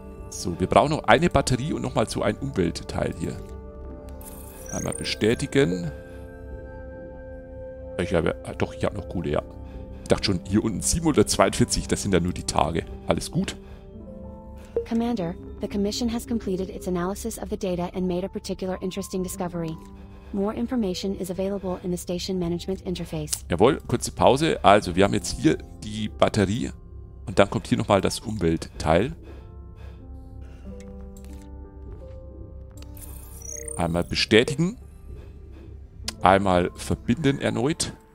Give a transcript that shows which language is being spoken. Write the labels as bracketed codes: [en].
[de] So, wir brauchen noch eine Batterie und nochmal so ein Umweltteil hier. Einmal bestätigen. Ich habe, doch, ich habe noch Kohle, ja. Ich dachte schon, hier unten 742, das sind ja nur die Tage. Alles gut. [en] Commander, the commission has completed its analysis of the data and made a particular interesting discovery. More information is available in the station management interface. [de] Jawohl, kurze Pause. Also, wir haben jetzt hier die Batterie und dann kommt hier nochmal das Umweltteil. Einmal bestätigen. Einmal verbinden erneut.